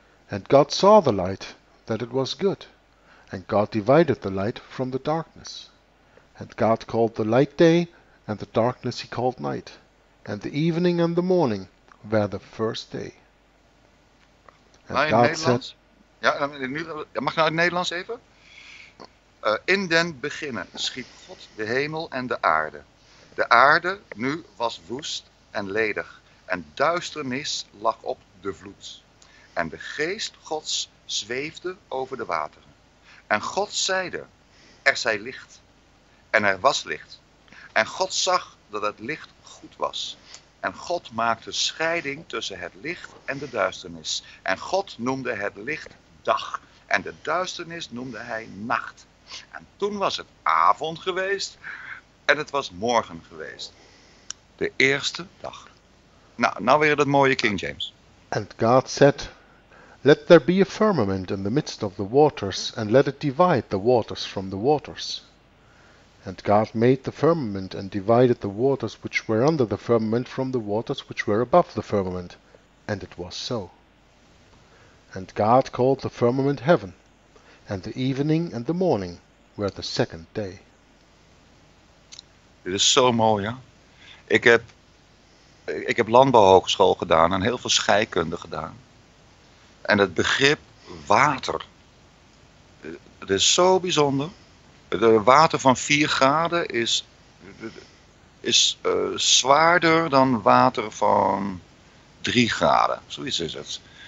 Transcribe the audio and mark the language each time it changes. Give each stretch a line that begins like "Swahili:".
English: And God saw the light, that it was good. And God divided the light from the darkness. And God called the light day, and the darkness he called night, and the evening and the morning. Where the first day.
Dutch: En in God Nederlands? Said, ja, mag ik nou in het Nederlands even? In den beginnen schiep God de hemel en de aarde. De aarde nu was woest en ledig. En duisternis lag op de vloed. En de geest Gods zweefde over de wateren. En God zeide, er zij licht. En er was licht. En God zag dat het licht goed was. En God maakte scheiding tussen het licht en de duisternis. En God noemde het licht dag. En de duisternis noemde hij nacht. En toen was het avond geweest. En het was morgen geweest. De eerste dag. Nou weer dat mooie King James.
English: And God said, Let there be a firmament in the midst of the waters. And let it divide the waters from the waters. And God made the firmament and divided the waters which were under the firmament from the waters which were above the firmament. And it was so. And God called the firmament heaven, and the evening and the morning were the second day.
Dutch: Dit is zo mooi, ja. Ik heb landbouwhogeschool gedaan en heel veel scheikunde gedaan. En het begrip water, het is zo bijzonder. De water van 4 graden is zwaarder dan water van 3 graden. Zoiets is het.